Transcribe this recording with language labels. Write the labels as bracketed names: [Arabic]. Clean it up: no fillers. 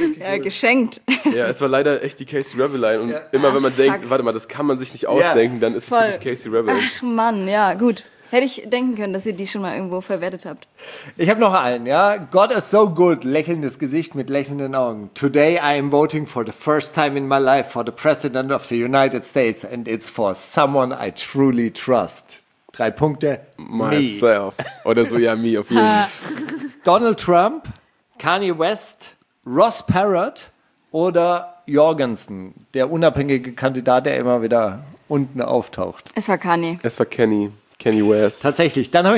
[German] Ja, geschenkt. Ja, es war leider echt die Casey Rebel Line und immer wenn man denkt, warte mal, das kann man sich nicht ausdenken, dann ist es wirklich Casey Rebel. Ach Mann, ja, gut. Hätte ich denken können, dass ihr die schon mal irgendwo verwertet habt. Ich habe noch einen, ja. [English] God is so good, [German] lächelndes Gesicht mit lächelnden Augen. [English] Today I am voting for the first time in my life for the President of the United States and it's for someone I truly trust. [German] 3 Punkte. [English] Myself. Me. [German] Oder so, ja, me auf jeden Fall. Donald Trump, Kanye West, Ross Perot oder Jorgensen, der unabhängige Kandidat, der immer wieder unten auftaucht. Es war Kanye. Es war Kanye West. Tatsächlich.